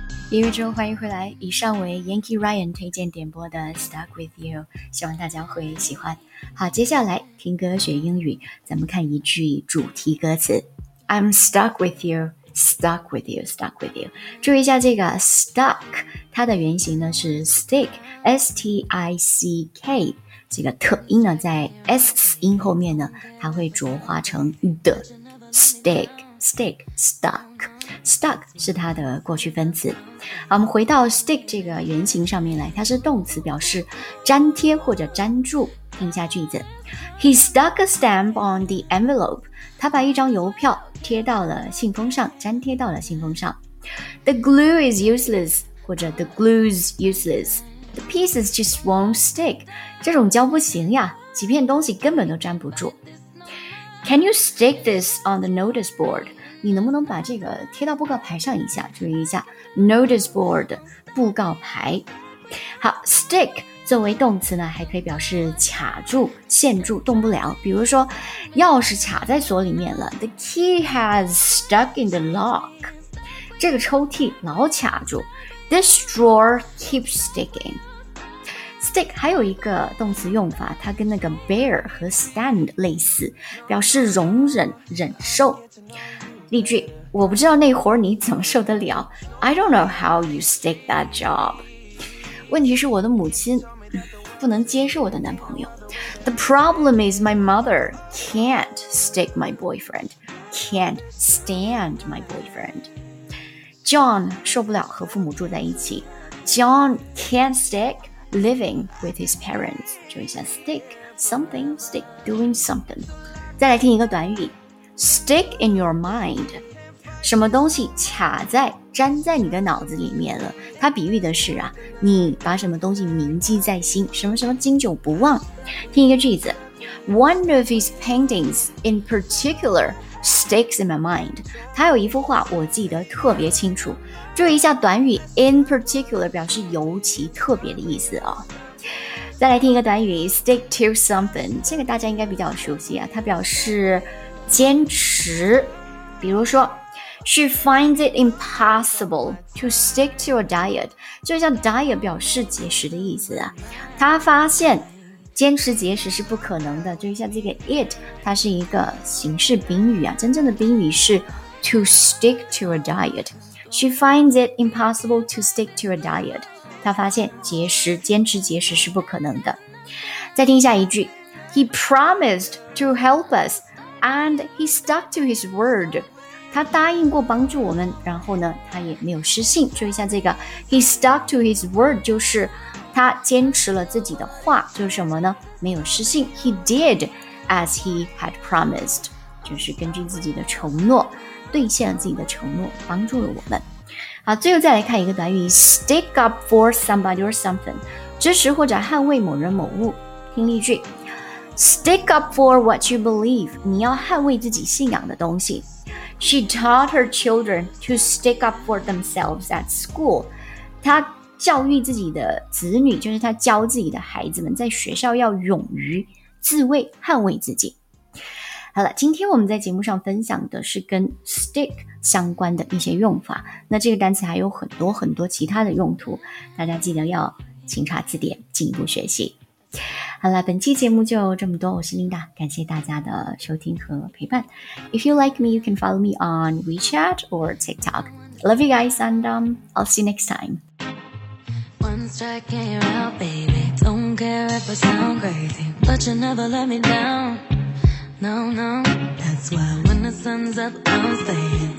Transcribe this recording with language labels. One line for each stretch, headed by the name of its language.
Chinese: 音乐之后欢迎回来，以上为 Yankee Ryan 推荐点播的 Stuck With You， 希望大家会喜欢。好，接下来听歌学英语，咱们看一句主题歌词。
English: I'm stuck with you, stuck with you, stuck with you。
Chinese: 注意一下这个 stuck， 它的原型呢是 stick, S-T-I-C-K， 这个特音呢在 S 音后面呢它会浊化成 the stick, stick, stuck。 stuck 是它的过去分词。好，我们回到 stick 这个原型上面来，它是动词，表示粘贴或者粘住。听一下句子，
English: He stuck a stamp on the envelope.
Chinese: 他把一张邮票贴到了信封上，粘贴到了信封上。
English: The glue is useless,
Chinese: 或者
English: the glue's useless. The pieces just won't stick.
Chinese: 这种胶不行呀，几片东西根本都粘不住。
English: Can you stick this on the notice board?
Chinese: 你能不能把这个贴到布告牌上一下？注意一下 ，notice board， 布告牌。好 ，stick 作为动词呢，还可以表示卡住、陷住、动不了。比如说，钥匙卡在锁里面了 ，
English: The key has stuck in the lock。
Chinese: 这个抽屉老卡住 ，
English: This drawer keeps sticking。
Chinese: Stick 还有一个动词用法，它跟那个 bear 和 stand 类似，表示容忍、忍受。例句，我不知道那活你怎么受得了。
English: I don't know how you stick that job.
Chinese: 问题是我的母亲不能接受我的男朋友。
English: The problem is my mother can't stick my boyfriend, can't stand my boyfriend.
Chinese: John 受不了和父母住在一起。
English: John can't stick. Living with his parents.
Chinese: 注意一下
English: stick, something, stick, doing something.
Chinese: 再来听一个短语
English: stick in your mind.
Chinese: 什么东西卡在、粘在你的脑子里面了。它比喻的是啊，你把什么东西铭记在心，什么什么经久不忘。听一个句子
English: One of his paintings in particular sticks in my mind.
Chinese: 他有一幅画我记得特别清楚。注意一下短语 in particular 表示尤其特别的意思哦。再来听一个短语
English: stick to something，
Chinese: 这个大家应该比较熟悉啊，它表示坚持。比如说
English: She finds it impossible to stick to a diet，
Chinese: 就像 diet 表示节食的意思啊，她发现坚持节食是不可能的。注意一下这个 it， 它是一个形式宾语啊，真正的宾语是
English: to stick to a dietShe finds it impossible to stick to a diet.
Chinese: 她发现节食，坚持节食是不可能的。再听下一句
English: He promised to help us and he stuck to his word.
Chinese: 他答应过帮助我们，然后呢，他也没有失信。注意一下这个
English: He stuck to his word
Chinese: 就是他坚持了自己的话，就是什么呢？没有失信。
English: He did as he had promised.
Chinese: 就是根据自己的承诺兑现了自己的承诺，帮助了我们。好，最后再来看一个短语
English: stick up for somebody or something，
Chinese: 支持或者捍卫某人某物。听例句
English: stick up for what you believe，
Chinese: 你要捍卫自己信仰的东西。
English: She taught her children to stick up for themselves at school，
Chinese: 她教育自己的子女，就是她教自己的孩子们在学校要勇于自卫，捍卫自己。好了，今天我们在节目上分享的是跟 stick 相关的一些用法，那这个单词还有很多很多其他的用途，大家记得要勤查字典进一步学习。好了，本期节目就这么多，我是 Linda， 感谢大家的收听和陪伴。
English: If you like me, you can follow me on WeChat or TikTok. Love you guys and I'll see you next time. One strike and you're out, baby. Don't care if I sound crazy, but you never let me downNo, no, that's why when the sun's up, I'm staying.